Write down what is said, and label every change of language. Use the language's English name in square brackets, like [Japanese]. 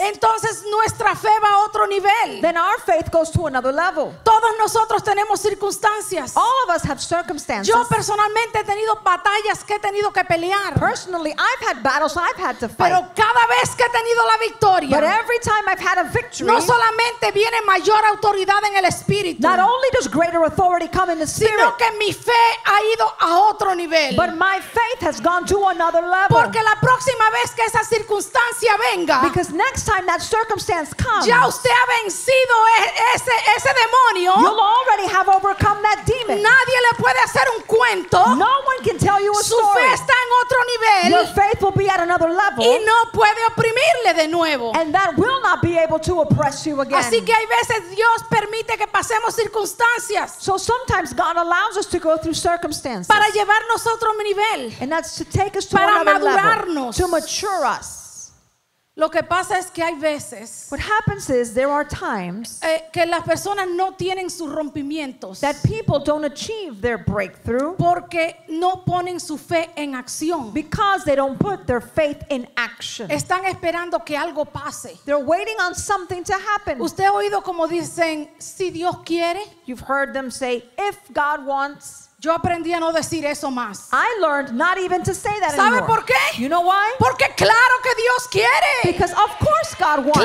[Spanish] entonces nuestra fe va a otro nivel. [English] Then our faith goes to another level. [Spanish] Todos nosotros tenemos circunstancias. [English] All of us have circumstances. [Spanish] Yo personalmente he tenido batallas que he tenido que pelear. [English] Personally, I've had battles I've had to fight. [Spanish] Pero cada vez que he tenido la victoria, [English] but every time I've had a victory, [Spanish] no solamente viene mayor autoridad en el espíritu, [English] not only does greater authority come in the spirit, [Spanish] sino que mi fe ha ido a otro nivel. [English] But my faith has gone to another level. [Spanish] Porque la próxima vez que esa circunstancia venga, [English] because next time that circumstance comes, [Spanish] ya usted ha vencido ese demonio. [English] You'll already have overcome that demon. [Spanish] Nadie le puede hacer un cuento. [English] No one can tell you a [Spanish] su [English] story. [Spanish] Su fe está en otro nivel. [English] Your faith will be at another level. [Spanish] Y no puede oprimirle de nuevo. [English] And that will not be able to oppress you again. [Spanish] Así que hay veces Dios permite que pasemos circunstancias. [English] So sometimes God allows us to go through circumstances. [Spanish] Para llevarnos a otro nivel. [English] And that's to take us to [Spanish] para [English] another [Spanish] madurarnos. [English] Level. To mature. Us. [Spanish] Lo que pasa es que hay veces, [English] what happens is there are times [Spanish] que las personas no tienen sus rompimientos, [English] that people don't achieve their breakthrough, [Spanish] porque no ponen su fe en acción, [English] because they don't put their faith in action. [Spanish] Están esperando que algo pase. [English] They're waiting on something to happen. [Spanish] ¿Usted ha oído como dicen, si Dios quiere? [English] You've heard them say, if God wants. [Spanish] Yo aprendí a no decir eso más. [English] I learned not even to say that [Spanish] ¿sabe [English] anymore? [Spanish] ¿Sabe por qué? [English] You know why? [Spanish] Porque claro que Dios quiere. [English] Because of course God wants